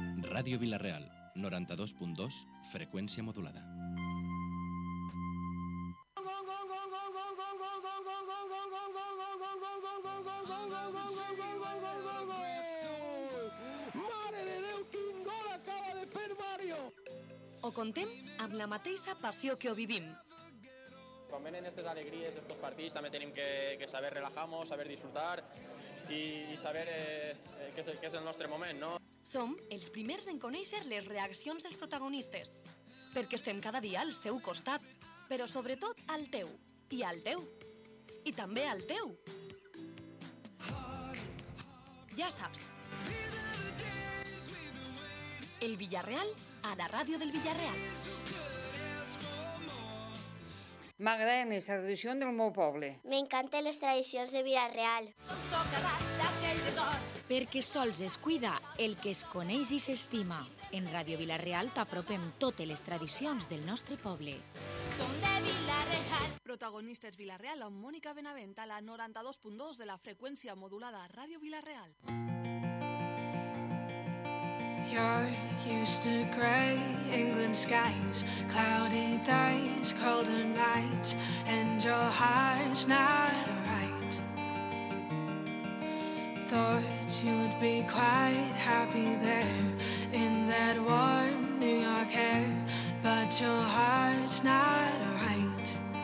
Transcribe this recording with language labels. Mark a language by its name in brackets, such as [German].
[Spanish] Radio Villarreal, 92.2, frecuencia modulada. ¡Madre de Dios, [Catalan] quin gol acaba de fer Mario! O contem amb la mateixa passió que ho vivim. Quan venen aquestes alegries, aquests partits, també tenim que saber relajar-nos, saber disfrutar i saber què és el nostre moment, no? Som els primers en conèixer les reaccions dels protagonistes, perquè estem cada dia al seu costat, però sobretot al teu, i al teu, i també al teu. Ja saps, el Villarreal a la ràdio del Villarreal. M'agraden les tradicions del meu poble. M'encanten les tradicions de Villarreal. Som socarrats d'aquell record. Perquè sols es cuida el que es coneix i s'estima. En Ràdio Villarreal t'apropem totes les tradicions del nostre poble. Som de Villarreal. Protagonistes Villarreal amb Mònica Benavent a la 92.2 de la freqüència modulada Ràdio Villarreal. [English] You're used to grey England skies, cloudy days, colder nights, and your heart's not right. Thought you'd be quite happy there, in that warm New York air, but your heart's not right.